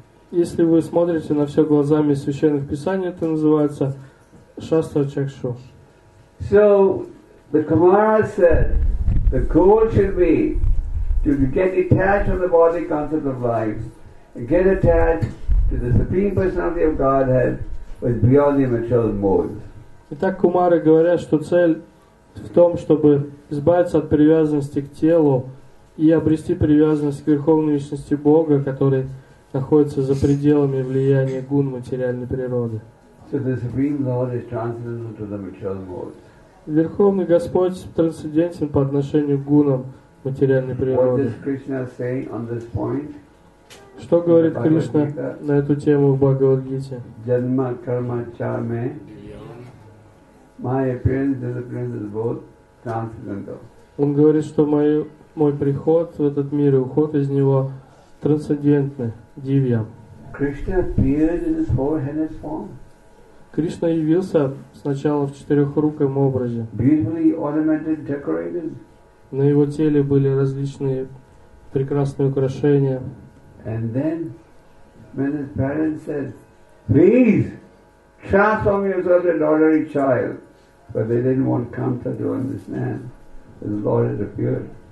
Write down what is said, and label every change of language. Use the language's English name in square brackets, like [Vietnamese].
[Russian] Если вы смотрите на все глазами священных писаний, это называется Шастра Чакшу. [English] So the Kumara said the goal should be to get detached from the body concept of life and get attached to the Supreme Personality of Godhead with beyond the material mode. [Russian] Итак, Кумары говорят, что цель в том, чтобы избавиться от привязанности к телу и обрести привязанность к Верховной Личности Бога, который находится за пределами влияния гун материальной природы. [English] So the Supreme Lord is transcendental to the material mode. [Russian] Верховный Господь трансцендентен по отношению к гунам материальной природы. [English] What does Krishna say on this point? [Russian] Что говорит Кришна на эту тему в Бхагавад-гите? [Sanskrit] Janma karma cha me. [English] My appearance, disappearance is both transcendental. [Russian] Он говорит, что мой приход в этот мир и уход из него трансцендентны, дивья. [English] Krishna appeared in his four-headed form. [Russian] Кришна явился сначала в четырехруком образе. [English] Beautifully ornamented, decorated. [Russian] На его теле были различные прекрасные украшения. [English] And then, when his parents said, "Please transform yourself into an ordinary child," but they didn't want Kamsa to understand, the Lord had appeared.